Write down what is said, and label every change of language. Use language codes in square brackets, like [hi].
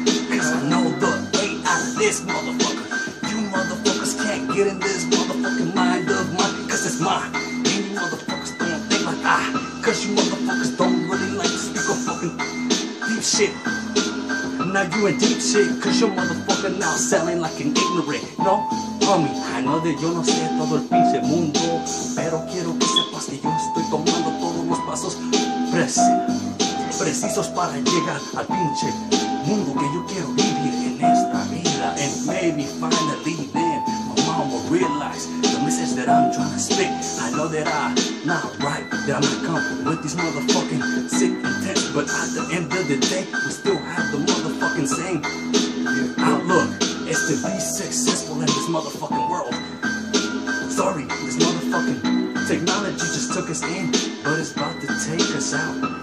[en] Cause I know the way out of this motherfucker. You motherfuckers can't get in this motherfucking mind of mine, cause it's mine. And you motherfuckers don't think like I, cause you motherfuckers don't really like to speak of fucking deep shit. Now you in deep shit, cause your motherfucker now selling like an ignorant, no? Homie, I know that [es] yo no sé todo el pinche mundo, pero quiero que sepas que yo estoy tomando todos los pasos precisos para llegar al pinche mundo que yo quiero vivir en esta vida. [en] And maybe finally then my mom will realize the message that I'm trying to speak. I know that I'm not right, that I'm gonna come with these motherfucking sick intents, but at the end of the day, we still have the motherfucking same outlook. It's to be successful in this motherfucking world. Sorry, this motherfucking technology just took us in, but it's about to take us out.